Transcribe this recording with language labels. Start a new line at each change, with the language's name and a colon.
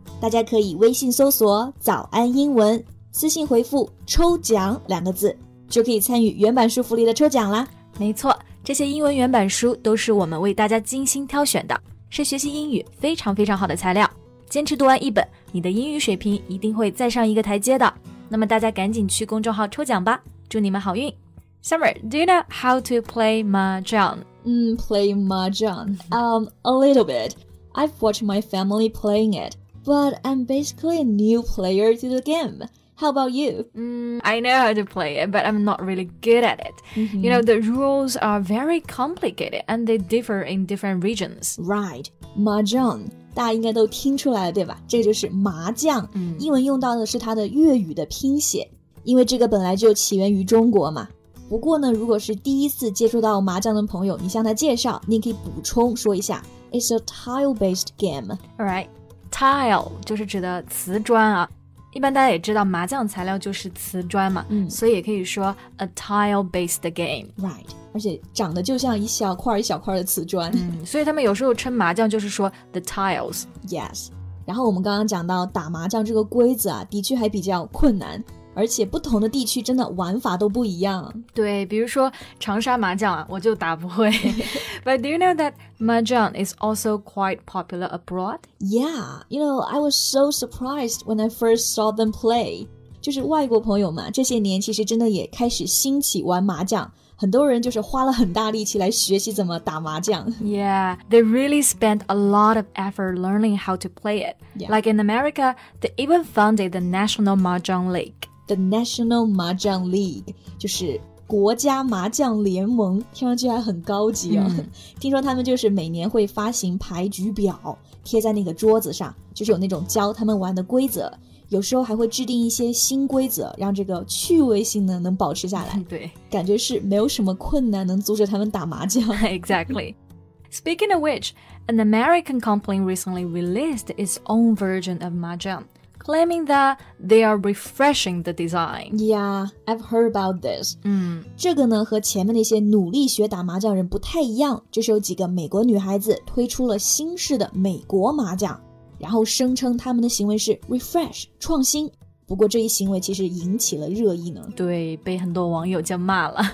Chinese: 大家可以微信搜索早安英文，私信回复抽奖两个字，就可以参与原版书福利的抽奖啦。没错，这些英文原版书都是我们为大家精心挑选的，是学习英语非常非常好的材料。坚持读完一本，你的英语水平一定会再上一个台阶的。那么大家赶紧去公众号抽奖吧，祝你们好运。
English: Summer, do you know how to play Mahjong? Play Mahjong? A little bit. I've watched my family playing it, but I'm basically a new player to the game. How about you? I know how to play it, but I'm not really good at it. Mm-hmm. You know, the rules are very complicated and they differ in different regions. Right, Mahjong.
Chinese: 大家应该都听出来了，对吧？这个就是麻将，英文用到的是它的粤语的拼写，因为这个本来就起源于中国嘛。不过呢，如果是第一次接触到麻将的朋友，你向他介绍，你可以补充说一下 ，
English: It's a tile-based game.
Chinese: Alright, tile 就是指的瓷砖啊。一般大家也知道麻将材料就是瓷砖嘛，所以也可以说
English: a tile-based game. Right.
Chinese: 而且长得就像一小块一小块的瓷砖，所以他们有时候称麻将就是说
English: the tiles. Yes.
Chinese: 然后我们刚刚讲到打麻将这个规则啊，的确还比较困难，而且不同的地区真的玩法都不一样。对，比如说长沙麻将啊，我就打不会。
English: But do you know that mahjong is also quite popular abroad? Yeah. You know, I was so surprised when I first saw them play.
Chinese: 就是外国朋友嘛，这些年其实真的也开始兴起玩麻将。很多人就是花了很大力气来学习怎么打麻将。
English: Yeah, they really spent a lot of effort learning how to play it. Yeah. Like in America, they even founded the National Mahjong League.
Chinese: The National Mahjong League, 就是国家麻将联盟，听上去还很高级哦。听说他们就是每年会发行牌局表，贴在那个桌子上，就是有那种教他们玩的规则。有时候还会制定一些新规则，让这个趣味性呢能保持下来。对，感觉是没有什么困难能阻止他们打麻将。
English: Exactly. Speaking of which, an American company recently released its own version of Mahjong, claiming that they are refreshing the design. Yeah, I've heard about this.
Chinese: 这个呢和前面那些努力学打麻将人不太一样，就是有几个美国女孩子推出了新式的美国麻将。然后声称他们的行为是 refresh, 创新。不过这一行为其实引起了热议呢。对，被很多网友就骂了。